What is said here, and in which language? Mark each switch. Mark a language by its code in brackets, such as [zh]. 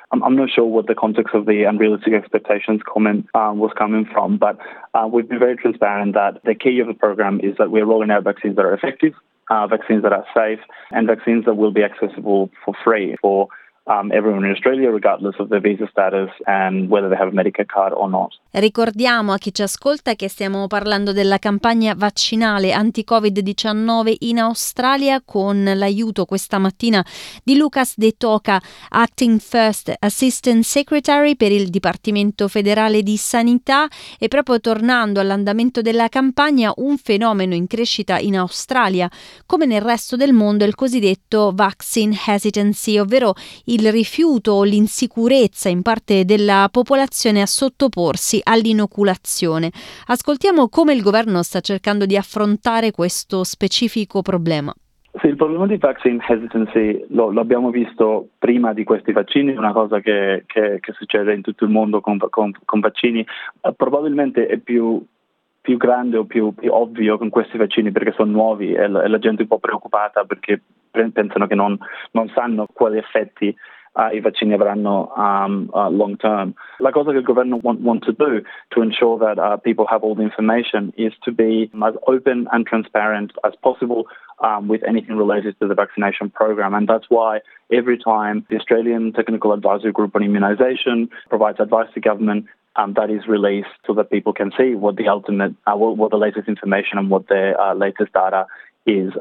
[en] I'm not sure what the context of the unrealistic expectations comment was coming from, but we've been very transparent that the key of the program is that we're rolling out vaccines that are effective, vaccines that are safe, and vaccines that will be accessible for free for everyone in Australia, regardless of their visa status and whether they have a Medicare card or not. [it] Ricordiamo a chi ci ascolta che stiamo parlando della campagna vaccinale anti-Covid-19 in Australia con l'aiuto questa mattina di Lucas De Toca, Acting First Assistant Secretary per il Dipartimento Federale di Sanità. E proprio tornando all'andamento della campagna, un fenomeno in crescita in Australia, come nel resto del mondo, il cosiddetto vaccine hesitancy, ovvero il rifiuto o l'insicurezza in parte della popolazione a sottoporsi all'inoculazione. Ascoltiamo come il governo sta cercando di affrontare questo specifico problema. Sì, il problema di vaccine hesitancy lo abbiamo visto prima di questi vaccini, una cosa che succede in tutto il mondo con vaccini. Probabilmente è più grande o più ovvio con questi vaccini perché sono nuovi e la gente è un po' preoccupata perché pensano che non sanno quali effetti i vaccini avranno long term. La cosa che il governo [en] want to do to ensure that people have all the information is to be as open and transparent as possible with anything related to the vaccination program, and that's why every time the Australian Technical Advisory Group on Immunisation provides advice to government, that is released so that people can see what the ultimate, what the latest information and what their latest data is.